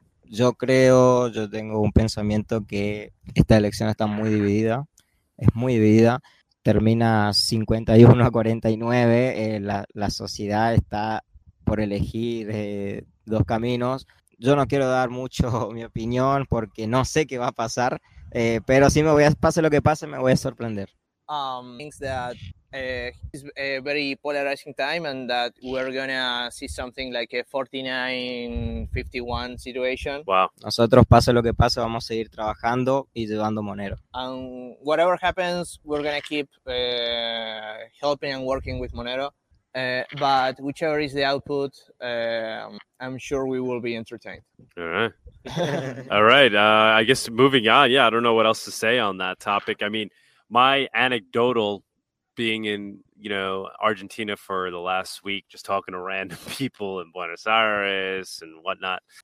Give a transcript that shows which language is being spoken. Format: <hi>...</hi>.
<es>Yo tengo un pensamiento que esta elección está muy dividida. Es muy dividida. Termina 51-49, la sociedad está por elegir dos caminos. Yo no quiero dar mucho mi opinión porque no sé qué va a pasar, pero sí me voy a, pase lo que pase, me voy a sorprender.</es> <en>Thinks that it's a very polarizing time and that we're gonna see something like a 49-51 situation. Wow.</en> <es>Nosotros, pase lo que pase, vamos a seguir trabajando y llevando Monero.</es> <en>And whatever happens, we're gonna keep helping and working with Monero. But whichever is the output, I'm sure we will be entertained. All right. I guess moving on. Yeah, I don't know what else to say on that topic. I mean, my anecdotal, being in, you know, Argentina for the last week, just talking to random people in Buenos Aires and whatnot.</en>